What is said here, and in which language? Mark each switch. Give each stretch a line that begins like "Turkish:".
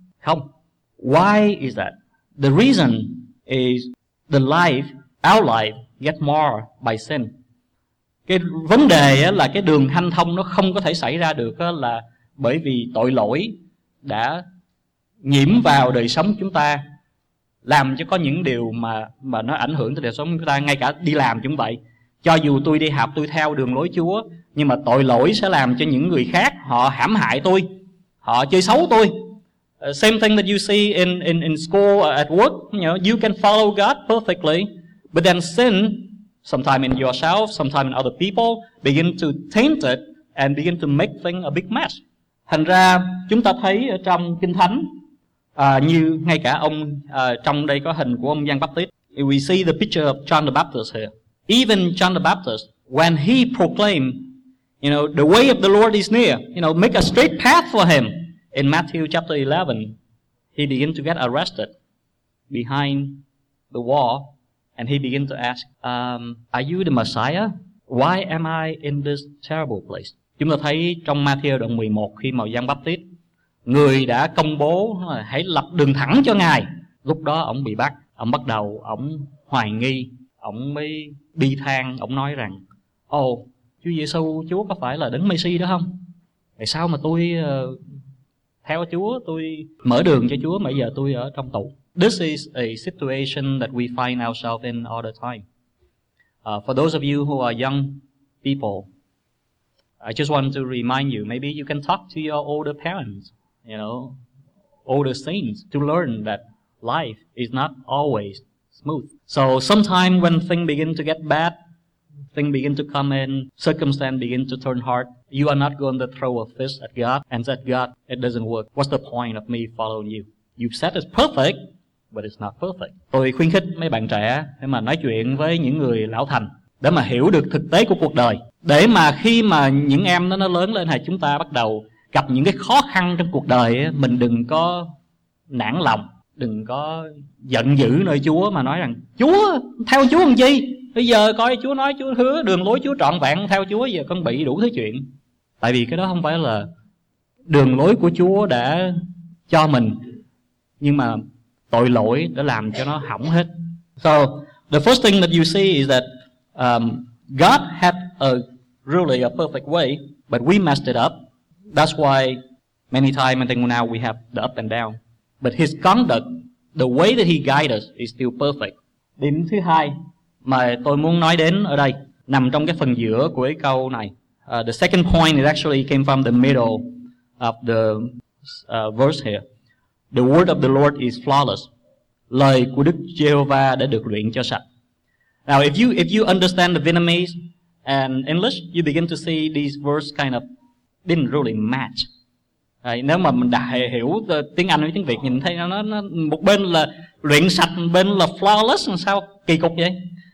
Vietnamese: Không.
English: Why is that? The reason is the life, our life, get more by sin.
Vietnamese: Cái vấn đề là cái đường hanh thông nó không có thể xảy ra được là bởi vì tội lỗi đã nhiễm vào đời sống chúng ta, làm cho có những điều mà nó ảnh hưởng tới đời sống chúng ta, ngay cả đi làm cũng vậy. Cho dù tôi đi học, tôi theo đường lối Chúa, nhưng mà tội lỗi sẽ làm cho những người khác họ hãm hại tôi, họ chơi xấu tôi.
English: Same thing that you see in school or at work, you know, you can follow God perfectly, but then sin, sometimes in yourself, sometimes in other people, begin to taint it and begin to make things a big mess.
Vietnamese: Thành ra chúng ta thấy ở trong Kinh Thánh, như ngay cả ông trong đây có hình của ông Giăng Baptist.
English: We see the picture of John the Baptist here. Even John the Baptist, when he proclaimed, you know, the way of the Lord is near, you know, make a straight path for him. In Matthew chapter 11, he began to get arrested. behind the wall, and he began to ask, are you the Messiah? Why am I in this terrible place?
Vietnamese: Chúng ta thấy trong Matthew đoạn 11 khi mà Giăng Baptist, người đã công bố hãy lập đường thẳng cho Ngài. Lúc đó ông bị bắt, ông bắt đầu, ông hoài nghi, ông mới bi than, ông nói rằng, Chúa Giê-xu, Chúa có phải là Đấng Mê-si đó không? Tại sao mà tôi theo Chúa, tôi mở đường cho Chúa, bây giờ tôi ở trong tù?
English: This is a situation that we find ourselves in all the time. For those of you who are young people, I just want to remind you, maybe you can talk to your older parents, you know, older saints, to learn that life is not always smooth. So sometimes when things begin to get bad, things begin to come in, circumstances begin to turn hard, you are not going to throw a fist at God and say, God, it doesn't work. What's the point of me following you? You've said it's perfect, but it's not perfect.
Vietnamese: Tôi khuyến khích mấy bạn trẻ để mà nói chuyện với những người lão thành, để mà hiểu được thực tế của cuộc đời. Để mà khi mà những em nó lớn lên hay chúng ta bắt đầu gặp những cái khó khăn trong cuộc đời, mình đừng có nản lòng, đừng có giận dữ nơi Chúa mà nói rằng, Chúa, theo Chúa làm chi? Bây giờ coi Chúa nói, Chúa hứa đường lối Chúa trọn vẹn, theo Chúa giờ con bị đủ thứ chuyện. Tại vì cái đó không phải là đường lối của Chúa đã cho mình, nhưng mà tội lỗi đã làm cho nó hỏng hết.
English: So the first thing that you see is that God had a really a perfect way, but we messed it up. That's why many times until now we have the up and down. But his conduct, the way that he guides us, is still perfect.
Vietnamese: Điểm thứ hai mà tôi muốn nói đến ở đây, nằm trong cái phần giữa của cái câu này.
English: The second point is actually came from the middle of the verse here. The word of the Lord is flawless.
Vietnamese: Lời của Đức Giê-hô-va đã được luyện cho sạch.
English: Now, if you understand the Vietnamese and English, you begin to see these verse kind of didn't really match.
Vietnamese: Đấy, nếu mà mình đã hiểu tiếng Anh với tiếng Việt, nhìn thấy nó một bên là luyện sạch, một bên là flawless, sao kỳ cục vậy?